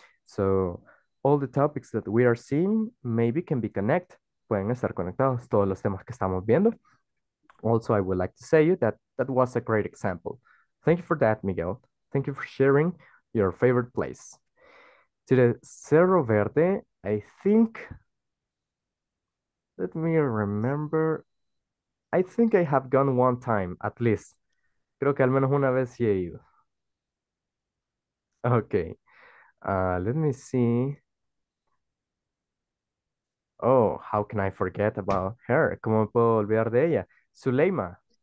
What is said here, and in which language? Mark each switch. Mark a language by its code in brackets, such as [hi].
[en] So, all the topics that we are seeing maybe can be connected. [es] Pueden estar conectados todos los temas que estamos viendo. [en] Also, I would like to say that was a great example. Thank you for that, Miguel. Thank you for sharing your favorite place. To the Cerro Verde, I think, let me remember, I think I have gone one time, at least. [es] Creo que al menos una vez sí he ido. [en] Okay, let me see. Oh, how can I forget about her? [es] ¿Cómo me puedo olvidar de ella? [en] Zuleima.